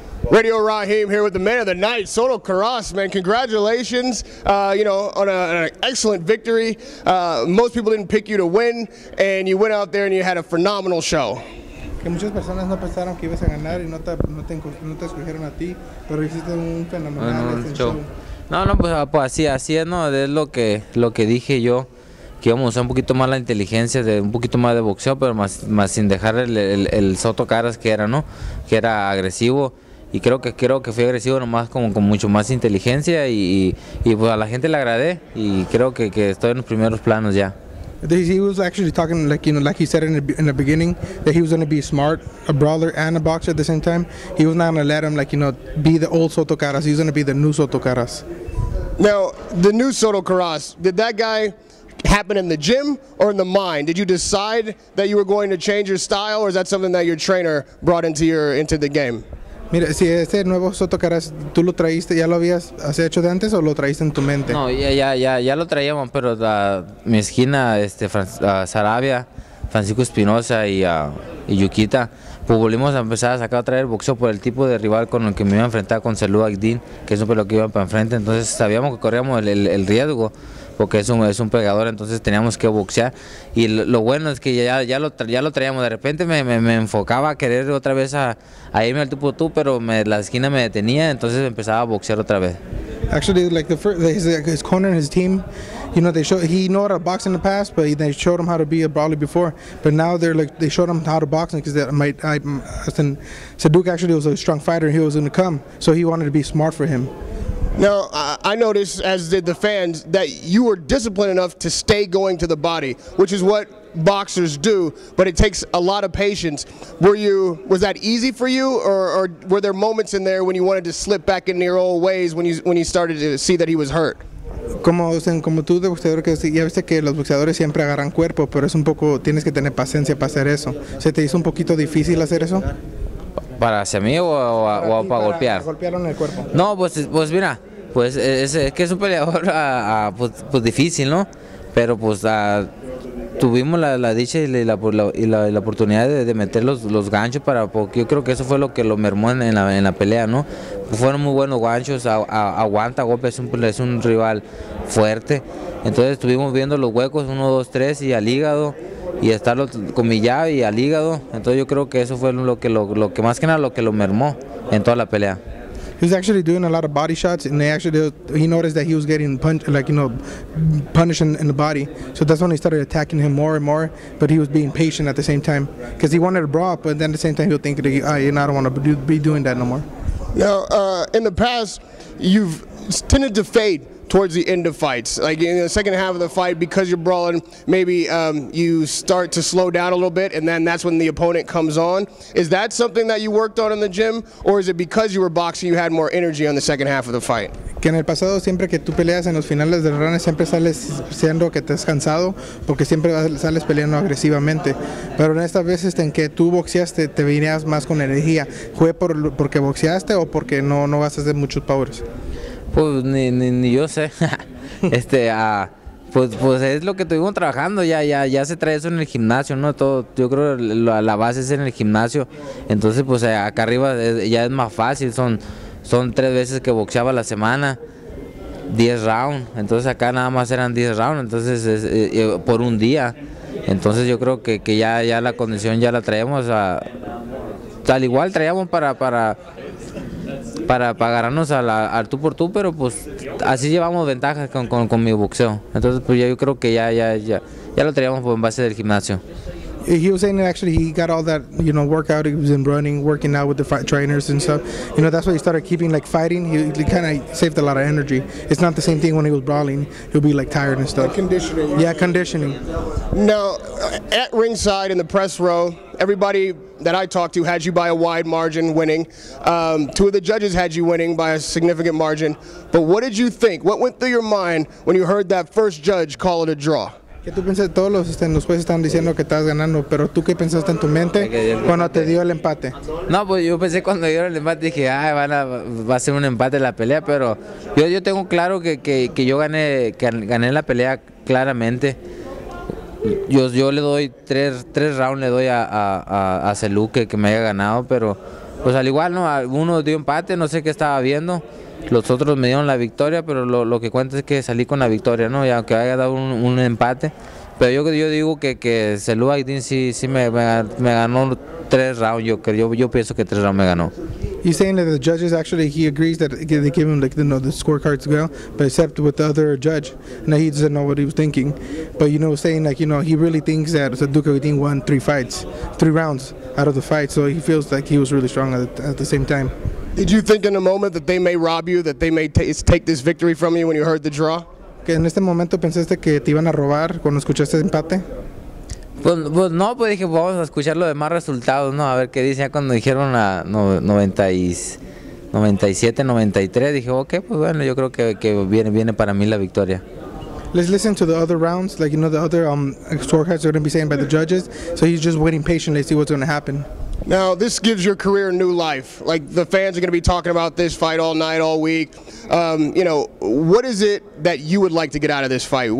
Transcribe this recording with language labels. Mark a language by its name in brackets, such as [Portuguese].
[English] Radio Raheem here with the man of the night, Soto Carras, man. Congratulations, on an excellent victory. Most people didn't pick you to win, and you went out there and you had a phenomenal show. [Spanish] Que muchas personas no pensaron que ibas a ganar y no te escogieron a ti, pero hiciste un fenomenal show. No, pues así es, ¿no? Es lo que dije yo, que íbamos a usar un poquito más la inteligencia, de un poquito más de boxeo, pero más sin dejar el Soto Carras que era, ¿no? Que era agresivo. Y creo que fui agresivo nomás con mucho más inteligencia y pues a la gente le agradé y creo que estoy en los primeros planos ya. [English] He was actually talking like he said in the beginning that he was going to be smart, a brawler and a boxer at the same time. He was not going to let him be the old Soto Carras. He's going to be the new Soto Carras. Now, the new Soto Carras, did that guy happen in the gym or in the mind? Did you decide that you were going to change your style or is that something that your trainer brought into the game? [Spanish] Mira, si ese nuevo Soto Carras, ¿tú lo traíste, ya lo habías hecho de antes o lo traíste en tu mente? No, ya lo traíamos, pero mi esquina, Sarabia, Francisco Espinosa y Yuquita, pues volvimos a empezar a sacar a traer boxeo por el tipo de rival con el que me iba a enfrentar, con Celú Agdín, que es un pelo que iba para enfrente, entonces sabíamos que corríamos el riesgo, porque es un pegador, entonces teníamos que boxear. Y lo bueno es que ya lo traíamos. De repente me enfocaba a querer otra vez a irme al tú, pero la esquina me detenía, entonces empezaba a boxear otra vez. [English] Actually, his corner and his team, he knew how to box in the past, but they showed him how to be a brawler before. But now they showed him how to box because Saduk actually was a strong fighter and he was going to come, so he wanted to be smart for him. Now, I noticed, as did the fans, that you were disciplined enough to stay going to the body, which is what boxers do, but it takes a lot of patience. Was that easy for you, or were there moments in there when you wanted to slip back into your old ways when you started to see that he was hurt? [Spanish] Como tú, de boxeador, que ya viste que los boxeadores siempre agarran cuerpo, pero es un poco, tienes que tener paciencia para hacer eso. ¿Se te hizo un poquito difícil hacer eso? ¿Para hacia mí o para golpear? Golpearon el cuerpo. No, pues mira, pues es que es un peleador pues difícil, ¿no? Pero pues tuvimos la dicha y la oportunidad de meter los ganchos porque yo creo que eso fue lo que lo mermó en la pelea, ¿no? Pues fueron muy buenos ganchos, aguanta golpes, es un rival fuerte. Entonces estuvimos viendo los huecos, 1, 2, 3 y al hígado. Y estarlo con mi llave y al hígado, entonces yo creo que eso fue lo que más que nada lo que lo mermó en toda la pelea. [English] He was actually doing a lot of body shots and he noticed that he was getting punished in the body, so that's when he started attacking him more and more, but he was being patient at the same time because he wanted to brawl, but then at the same time he was thinking, I don't want to be doing that no more. Now, in the past you've tended to fade towards the end of fights, like in the second half of the fight, because you're brawling, maybe you start to slow down a little bit, and then that's when the opponent comes on. Is that something that you worked on in the gym, or is it because you were boxing, you had more energy on the second half of the fight? [Spanish] Que en el pasado, siempre que tú peleas en los finales del round, siempre sales siendo que te has cansado, porque siempre sales peleando agresivamente. Pero en estas veces en que tú boxeaste, te venías más con energía. ¿Fue porque boxeaste o porque no gastas de muchos powers? Pues ni yo sé. pues es lo que estuvimos trabajando, ya se trae eso en el gimnasio, ¿no? Todo, yo creo que la base es en el gimnasio. Entonces, pues acá arriba ya es más fácil, son 3 veces que boxeaba la semana, 10 rounds. Entonces acá nada más eran 10 rounds, entonces por un día. Entonces yo creo que ya la condición ya la traemos a tal igual traíamos para agarrarnos al tú por tú, pero pues así llevamos ventajas con mi boxeo. Entonces pues yo creo que ya lo traíamos en base del gimnasio. [English] He was saying that actually he got all that, you know, workout, he was in running, working out with the trainers and stuff. You know, that's why he started keeping like fighting. He kind of saved a lot of energy. It's not the same thing when he was brawling. He'll be like tired and stuff. The conditioning. Yeah, conditioning. Now, at ringside in the press row, everybody that I talked to had you by a wide margin winning. Two of the judges had you winning by a significant margin. But what did you think? What went through your mind when you heard that first judge call it a draw? [Spanish] ¿Qué tú piensas? Todos los jueces están diciendo que estás ganando, pero ¿tú qué pensaste en tu mente cuando te dio el empate? No, pues yo pensé cuando dieron el empate, dije, ay, va a ser un empate la pelea, pero yo tengo claro que yo gané la pelea claramente. Yo le doy tres rounds le doy a Celú que me haya ganado, pero pues al igual, ¿no? Algunos dio empate, no sé qué estaba viendo. Los otros me dieron la victoria, pero lo que cuenta es que salí con la victoria, ¿no? Y aunque haya dado un empate. Pero yo digo que Selú Aydin sí me ganó 3 rounds, yo pienso que 3 rounds me ganó. [English] You saying that the judges actually, he agrees that they gave him, like, you know, the scorecards well, but except with the other judge, now he doesn't know what he was thinking. But, you know, saying, like, you know, he really thinks that Duke Aydin won 3 rounds out of the fight, so he feels like he was really strong at the same time. Did you think in a moment that they may rob you, that they may take this victory from you when you heard the draw? [Spanish] ¿En este momento pensaste que te iban a robar cuando escuchaste el empate? Pues no, pues dije, vamos a escuchar los demás resultados, ¿no? A ver qué dice. Ya cuando dijeron a 97-93, dije, ok, pues bueno, yo creo que viene para mí la victoria. [English] Let's listen to the other rounds, like, you know, the other scorecards are going to be saying by the judges. So he's just waiting patiently to see what's going to happen. Now, this gives your career new life. Like, the fans are going to be talking about this fight all night, all week. You know, what is it that you would like to get out of this fight?